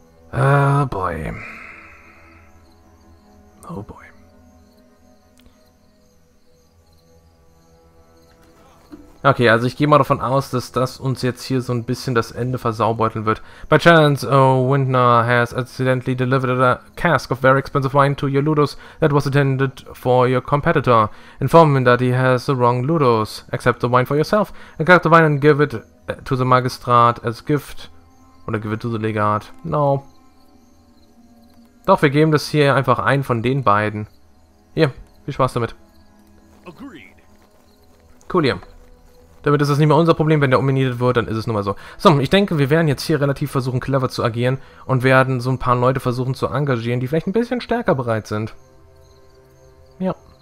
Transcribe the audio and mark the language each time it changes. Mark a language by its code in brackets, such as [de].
[en] Boy. Oh boy. [de] Okay, also ich gehe mal davon aus, dass das uns jetzt hier so ein bisschen das Ende versaubeuteln wird. [en] By chance, Windner has accidentally delivered a cask of very expensive wine to your Ludus that was intended for your competitor. Inform him that he has the wrong Ludus. Accept the wine for yourself and collect the wine and give it to the Magistrat as gift. [de] Oder [en] give it to the Legat. No. [de] Doch, wir geben das hier einfach ein von den beiden. Hier, viel Spaß damit. Agreed. Cool, hier. Damit ist es nicht mehr unser Problem, wenn der umminiert wird, dann ist es nun mal so. So, ich denke, wir werden jetzt hier relativ versuchen, clever zu agieren und werden so ein paar Leute versuchen zu engagieren, die vielleicht ein bisschen stärker bereit sind. Ja.